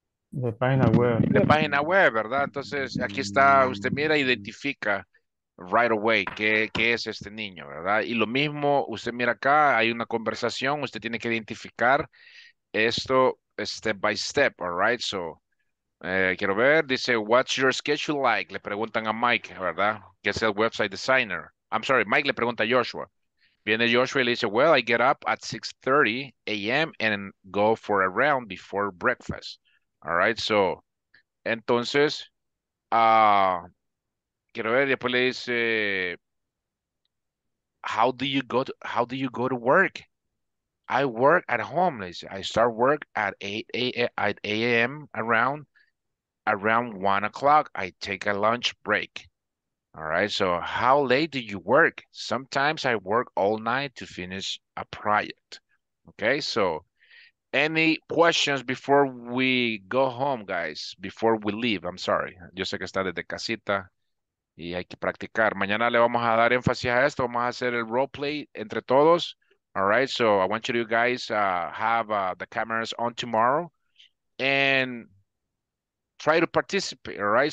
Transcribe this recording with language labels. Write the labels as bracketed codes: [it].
[es] De página web. De página web, ¿verdad? Entonces, aquí está, usted mira, identifica right away qué es este niño, ¿verdad? Y lo mismo, usted mira acá, hay una conversación, usted tiene que identificar esto step by step, all right? [en] So, quiero ver, dice, what's your schedule like? [es] Le preguntan a Mike, ¿verdad? Que es el website designer. [en] I'm sorry, Mike le pregunta a Joshua. Viene Joshua y le dice, well, I get up at 6:30 a.m. and go for a run before breakfast. All right, so, entonces, quiero ver, después le dice, how do you go to work? I work at home, le dice. I start work at 8 a.m. around 1 o'clock. I take a lunch break. All right, so how late do you work? Sometimes I work all night to finish a project. Okay, so. Any questions before we go home, guys? Before we leave, I'm sorry. [es] Yo sé que está desde casita y hay que practicar. Mañana le vamos a dar énfasis a esto. Vamos a hacer el role play entre todos. [en] All right, so I want you guys have the cameras on tomorrow and try to participate, all right?